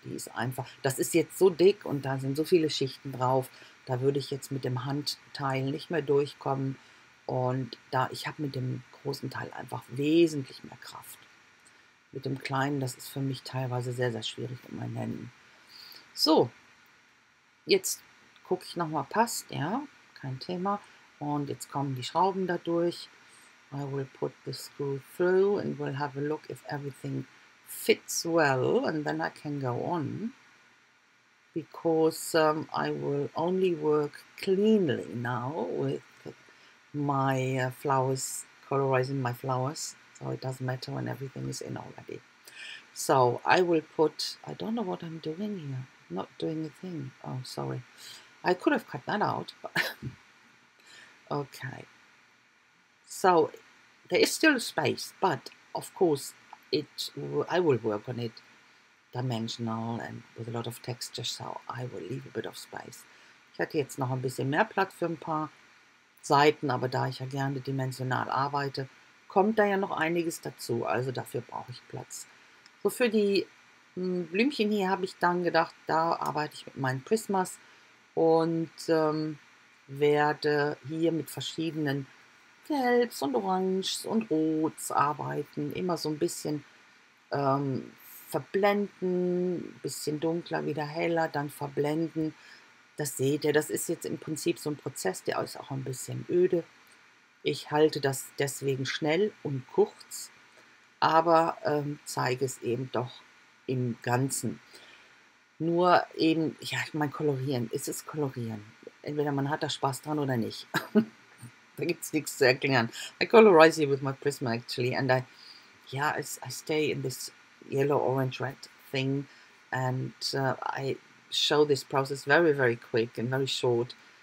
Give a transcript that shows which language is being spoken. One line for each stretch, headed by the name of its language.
German: Die ist einfach, das ist jetzt so dick und da sind so viele Schichten drauf, da würde ich jetzt mit dem Handteil nicht mehr durchkommen und da, ich habe mit dem großen Teil einfach wesentlich mehr Kraft. Mit dem kleinen, das ist für mich teilweise sehr, sehr schwierig in meinen Händen. So, jetzt gucke ich nochmal, passt, ja, kein Thema. Und jetzt kommen die Schrauben da durch.
English: I will put the screw through and we'll have a look if everything fits well and then I can go on. Because I will only work cleanly now with my flowers, colorizing my flowers. So it doesn't matter when everything is in already. So I will put, I don't know what I'm doing here. I'm not doing a thing. Oh, sorry. I could have cut that out. But okay. So there is still space, but of course I will work on it dimensional and with a lot of texture, so I will leave a bit of space.
German: Ich hatte jetzt noch ein bisschen mehr Platz für ein paar Seiten, aber da ich ja gerne dimensional arbeite, kommt da ja noch einiges dazu, also dafür brauche ich Platz. So, für die Blümchen hier habe ich dann gedacht, da arbeite ich mit meinen Prismas und werde hier mit verschiedenen Gelbs und Oranges und Rots arbeiten, immer so ein bisschen verblenden, ein bisschen dunkler, wieder heller, dann verblenden. Das seht ihr, das ist jetzt im Prinzip so ein Prozess, der ist auch ein bisschen öde. Ich halte das deswegen schnell und kurz, aber zeige es eben doch im Ganzen. Nur eben, ja, ich meine, kolorieren, ist es kolorieren. Entweder man hat da Spaß dran oder nicht. Da gibt es nichts zu erklären.
English: I colorize here with my Prisma actually and I stay in this yellow, orange, red thing and I show this process very, very quick and very short.